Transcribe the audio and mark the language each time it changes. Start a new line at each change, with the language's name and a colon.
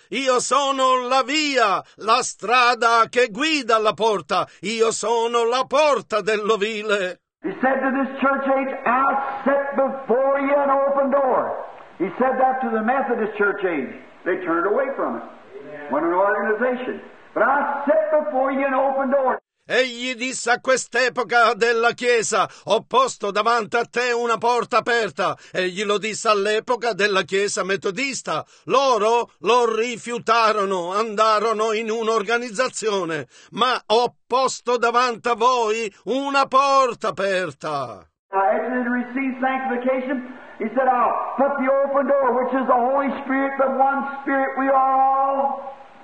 Italian: Io sono la via, la strada che guida alla porta. Io sono la porta dell'ovile.
English: He said to this church age, I set before you an open door. He said that to the Methodist church age. They turned away from it. When an organization. But I set before you an open door.
Italian: Egli disse a quest'epoca della Chiesa, ho posto davanti a te una porta aperta. Egli lo disse all'epoca della Chiesa metodista. Loro lo rifiutarono, andarono in un'organizzazione. Ma ho posto davanti a voi una porta aperta.
English: As he received sanctification, he said, I'll put the open door, which is the Holy Spirit, the one Spirit we all...